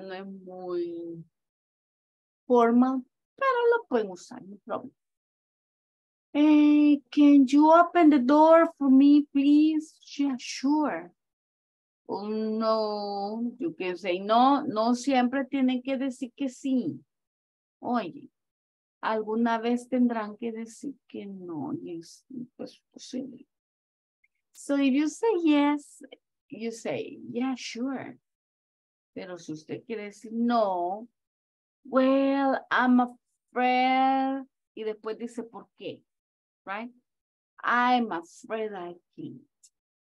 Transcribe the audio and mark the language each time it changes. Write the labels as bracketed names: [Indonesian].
[Spanish] No es muy formal, pero lo pueden usar, no problem. [English] Can you open the door for me, please? Yeah, sure. No, you can say no, [Spanish] no siempre tienen que decir que sí. Oye, alguna vez tendrán que decir que no, yes, pues posible. [English] So if you say yes, you say, yeah, sure. [Spanish] Pero si usted quiere decir no, [English] well, I'm afraid, [Spanish] y después dice por qué, right? [English] I'm afraid I can't.